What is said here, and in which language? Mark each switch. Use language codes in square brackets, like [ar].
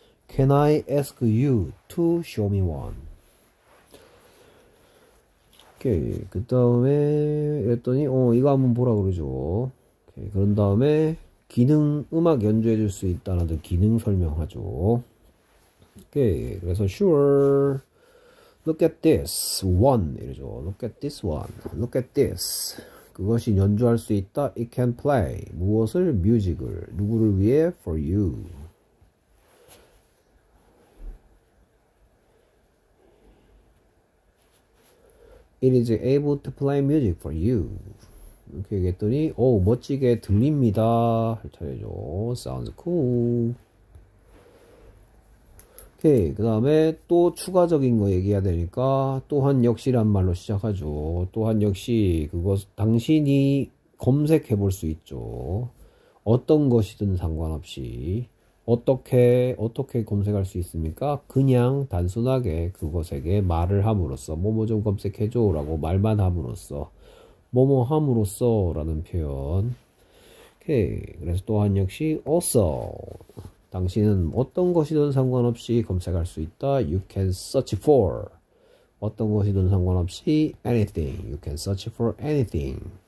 [en] Can I ask you to show me one? [ko] 오케이. 그 다음에 이랬더니 이거 한번 보라 그러죠. 오케이. 그런 다음에 기능 음악 연주해 줄수 있다라는 기능 설명하죠. 오케이. 그래서 [en] sure. Look at this one [ko] 이러죠. [en] Look at this one. Look at this. [ko] 그것이 연주할 수 있다. [en] It can play. [ko] 무엇을? 뮤직을. 누구를 위해? [en] For you. 'It is able to play music for you.' [ko] 이렇게 얘기했더니, 오, 멋지게 들립니다. 할 차례죠. [en] Sounds cool. [ko] 오케이. 그 다음에 또 추가적인 거 얘기해야 되니까, 또한 역시란 말로 시작하죠. 또한 역시, 그거 당신이 검색해 볼수 있죠. 어떤 것이든 상관없이. 어떻게 검색할 수 있습니까? 그냥 단순하게 그것에게 말을 함으로써 뭐뭐 좀 검색해줘라고 말만 함으로써 뭐뭐 함으로써라는 표현. 오케이. 그래서 또한 역시 also 당신은 어떤 것이든 상관없이 검색할 수 있다. [en] You can search for [ko] 어떤 것이든 상관없이 [en] anything. You can search for anything.